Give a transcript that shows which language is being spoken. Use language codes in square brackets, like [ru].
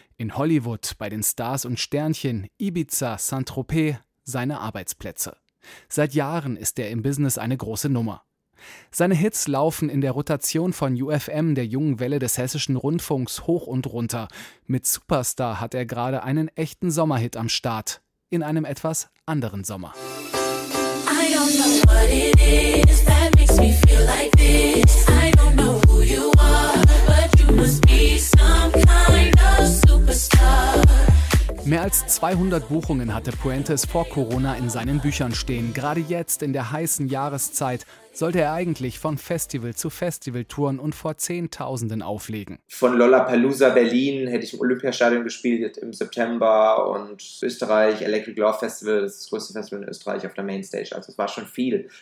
[de] In Hollywood, bei den Stars und Sternchen, Ibiza, Saint-Tropez, seine Arbeitsplätze. Seit Jahren ist er im Business eine große Nummer. Seine Hits laufen in der Rotation von UFM, der jungen Welle des Hessischen Rundfunks, hoch und runter. Mit Superstar hat er gerade einen echten Sommerhit am Start. In einem etwas anderen Sommer. [en] I don't know what it is that makes me feel like this. I don't know who you are, but you must be some kind of superstar. [de] Mehr als 200 Buchungen hatte Puentes vor Corona in seinen Büchern stehen. Gerade jetzt, in der heißen Jahreszeit, sollte er eigentlich von Festival zu Festival touren und vor Zehntausenden auflegen. Von Lollapalooza Berlin hätte ich im Olympiastadion gespielt im September und Österreich, Electric Love Festival, das größte Festival in Österreich auf der Mainstage. Also es war schon viel.